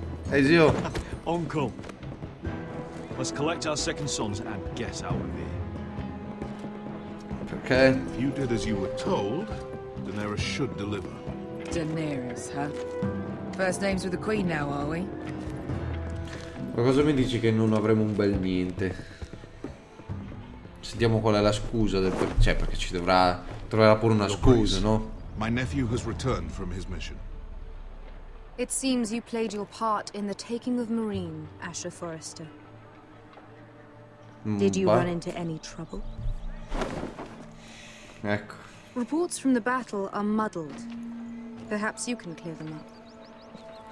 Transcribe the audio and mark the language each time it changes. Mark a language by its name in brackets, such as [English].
[English] Hey, Zio. Uncle. Let's collect our second sons and get out of here. Okay. If you did as you were told, Daenerys should deliver. Daenerys, huh? First names with the queen now, are we? [Italian] Ma cosa mi dici che non avremo un bel niente? Sentiamo qual è la scusa del cioè perché ci dovrà troverà pure una scusa, no? [English] My nephew has returned from his mission. It seems you played your part in the taking of Meereen, Asher Forrester. Did you run into any trouble? [Italian] Ecco. [English] Reports from the battle are muddled. Perhaps you can clear them up.